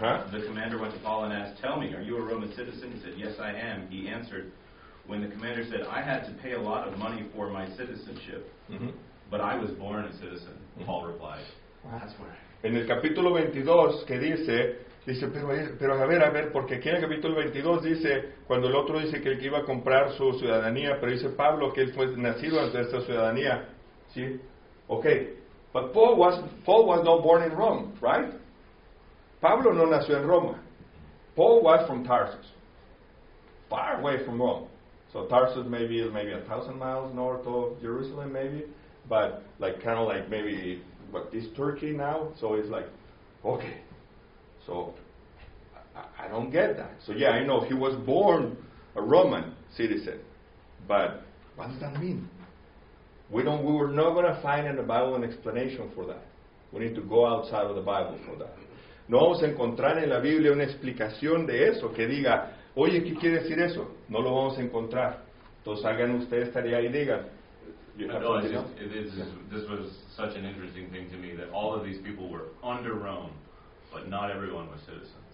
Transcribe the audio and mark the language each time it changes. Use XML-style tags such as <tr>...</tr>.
<en>The commander went to Paul and asked, "Tell me, are you a Roman citizen?" He said, "Yes, I am." He answered, "When the commander said, I had to pay a lot of money for my citizenship, but I was born a citizen," Paul replied.</en> <es>En el capítulo 22, ¿qué dice? Dice, pero a ver, porque aquí en el capítulo 22 dice, cuando el otro dice que él iba a comprar su ciudadanía, pero dice Pablo que él fue nacido ante esta ciudadanía. ¿Sí? Okay.</es> <en>But Paul was not born in Rome, right?</en> <es>Pablo no nació en Roma.</es> <en>Paul was from Tarsus. Far away from Rome. So Tarsus maybe is maybe 1,000 miles north of Jerusalem, maybe, but like kind of like maybe what is Turkey now? So it's like, okay. So I don't get that. So yeah, I know he was born a Roman citizen, but what does that mean? We're not going to find in the Bible an explanation for that. We need to go outside of the Bible for that.</en> <es>No vamos a encontrar en la Biblia una explicación de eso que diga, oye, ¿qué quiere decir eso? No lo vamos a encontrar. Entonces hagan ustedes tarea y digan.</es> <en>This was such an interesting thing to me that all of these people were under Rome, but not everyone was citizens.</en>